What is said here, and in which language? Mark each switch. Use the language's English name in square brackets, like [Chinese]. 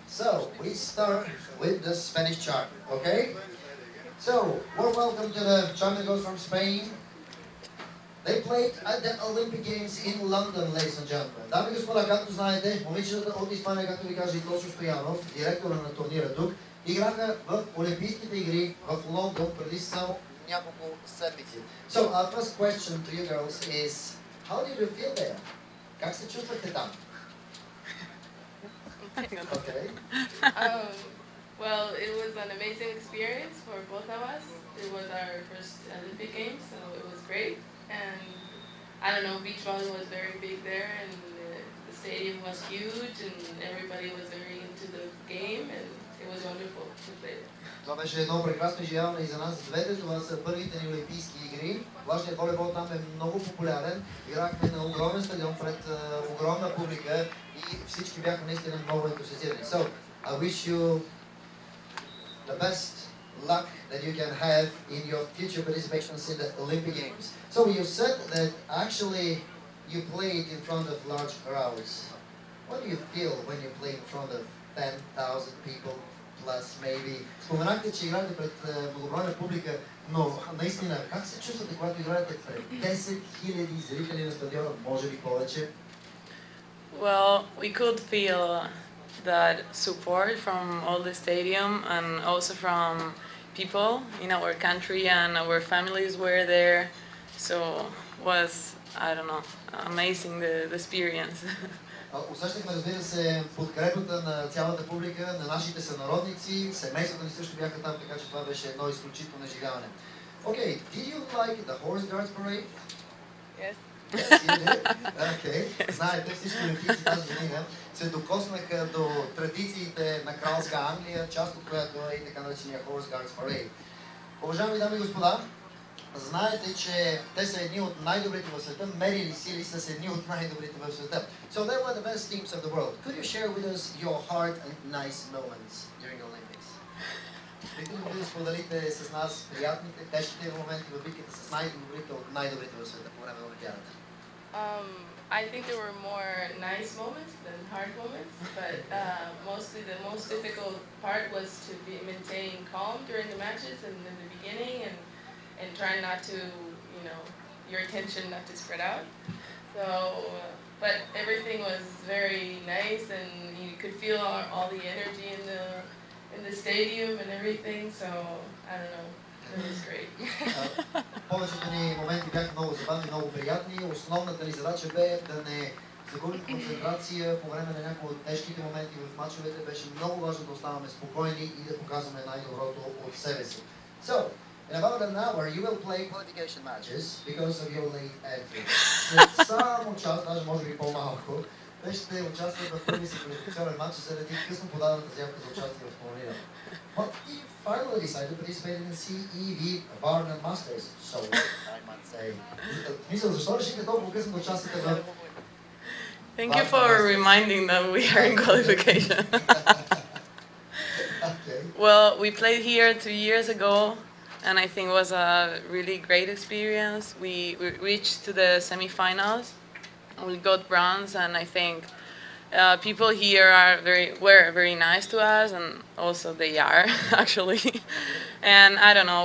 [English] So, we start with the Spanish charm, okay? So, warm welcome to the charm that goes from Spain. They played at the Olympic Games in London, ladies and gentlemen. [Bulgarian] Дами и господа, както знаете, момичетата от Испания, както ви каже и Тошо Стоянов, директора на турнира тук, играха в Олимпийските игри в Лондон преди само няколко седмици. [English] So, our first question to you girls is, how did you feel there? [Bulgarian] Как се чувствахте там? [English] Okay. Well, it was an amazing experience for both of us. It was our first Olympic Games, so it was great. And I don't know, beach volleyball was very big there, and the stadium was huge, and everybody was very into the game, and it was wonderful to play there. [Bulgarian] Това беше едно прекрасно изживяване и за нас двете. Това са първите ни олимпийски игри. Влажният волейбол там е много популярен. Играхме на огромен стадион пред огромна публика и всички бяха наистина много ентусиазирани. [English] So, I wish you the best luck that you can have in your future participations in the Olympic Games. So, you said that actually you played in front of large crowds. What do you feel when you play in front of 10,000 people? [Bulgarian] Споменахте, че играте пред благородна публика, но наистина, как се чувствате, когато играете пред 10 000 зрители на стадиона, може би повече? [English] Well, we could feel that support from all the stadium and also from people in our country and our families were there. So was, I don't know, amazing the experience. [Bulgarian] Усещахме, разбира се, подкрепата на цялата публика, на нашите сънародници, семействата ни също бяха там, така че това беше едно изключително изживяване. [English] Okay, did you like the Horse Guards Parade? Yes. Yes, you did? Okay. Yes. [Bulgarian] Знаете, всички олимпийци тази година се докоснаха до традициите на Кралска Англия, част от която е и така наречения Horse Guards Parade. Уважаеми дами и господа, знаете, че те са едни от най-добрите в света, мерили сили с едни от най-добрите в света. [English] So they were the best teams of the world. Could you share with us your hard and nice moments during the Olympics? [Bulgarian] Бихте ли да споделите с нас приятните, тежките моменти в битката с най-добрите от най-добрите в света по време на Олимпиадата? [English] I think there were more nice moments than hard moments, but mostly the most difficult part was to be maintain calm during the matches and in the beginning and try not to, you know, your attention not to spread out. So, but everything was very nice and you could feel all the energy in the stadium and everything, so, I don't know, it was great. [Bulgarian] Повечето ни моменти бяха много забавни, много приятни. Основната ни задача бе да не загубим концентрация по време на някои от тежките моменти в мачовете. Беше много важно да оставаме спокойни и да показваме най-доброто от себе си. [English] So, in about an hour, you will play qualification matches because of your late entry. [Bulgarian] Само час, даже може би по-малко, те ще участват в първи си квалификационен матч, за да ти късно подадената заявка за участие в турнира. [English] But you finally decided to participate in CEV Varna Masters. So, I might say. [Bulgarian] Мисля, защо решите толкова късно да участвате в... [English] Thank you for reminding that we are in qualification. Well, we played here 2 years ago. And I think it was a really great experience. We reached to the semifinals. We got bronze, and I think people here were very nice to us, and also they are actually. And I don't know.